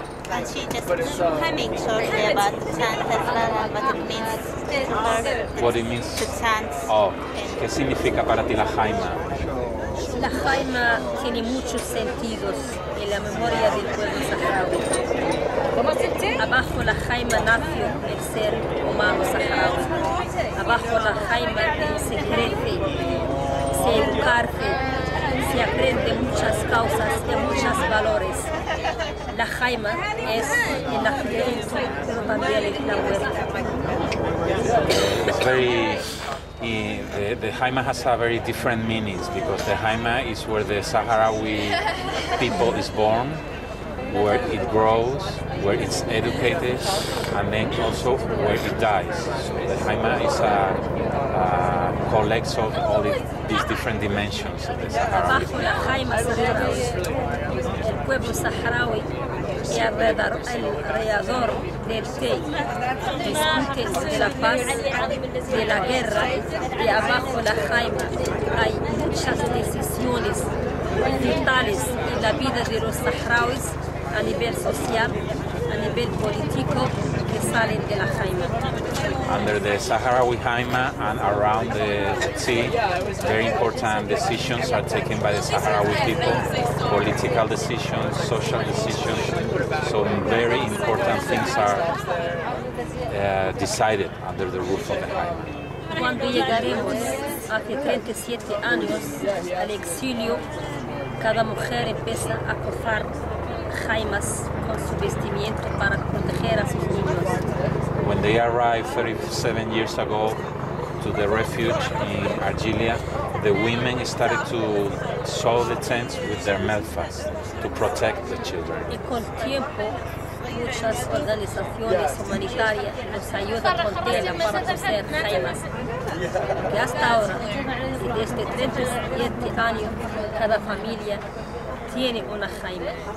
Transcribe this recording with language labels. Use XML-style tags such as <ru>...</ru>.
<en>And she just coming shortly about the chant as well, and what it means to her. What it means to chant.</en> <es>Oh, ¿qué significa para ti la jaima? La jaima tiene muchos sentidos en la memoria del pueblo saharaui. Abajo la jaima nació el ser humano saharaui. Abajo la jaima se crece, se educarse, se aprende muchas causas y muchos valores. La jaima es en la juventud, pero también es la muerte.</es> <en>The jaima has a very different meaning, because the jaima is where the Sahrawi people is born, where it grows, where it's educated, and then also where it dies. So the jaima is a collects of all these different dimensions of the Sahrawi.</en> <es>Abajo la jaima es el pueblo Sahrawi y alrededor del té, discute de la paz, de la guerra, y abajo la jaima hay muchas decisiones vitales en la vida de los saharauis a nivel social, a nivel político, que salen de la jaima.</es> <en>Under the Sahrawi jaima and around the sea, very important decisions are taken by the Sahrawi people, political decisions, social decisions. Some very important things are decided under the roof of the jaima.</en> <es>Cuando llegaremos hace 37 años al exilio, cada mujer empieza a coger jaimas con su vestimiento para proteger a sus niños.</es> <en>When they arrived 37 years ago to the refuge in Argelia, the women started to sew the tents with their melfas to protect the children.</en> <es>Y con tiempo, muchas organizaciones humanitarias nos ayudan con tela para coser jaimas. Y hasta ahora, desde 37 años, cada familia tiene una jaima.</es>